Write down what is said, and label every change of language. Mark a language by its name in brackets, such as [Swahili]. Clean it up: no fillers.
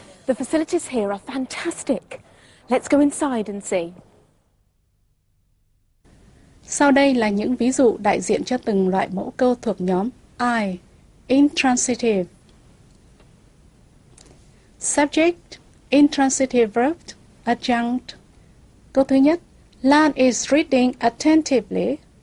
[English] The facilities here are fantastic. Let's go inside and see. [Vietnamese] Sau đây là những ví dụ đại diện cho từng loại mẫu câu thuộc nhóm I, intransitive. [English] Subject, intransitive verb, adjunct. [Vietnamese] Câu thứ nhất, [English] Lan is reading attentively.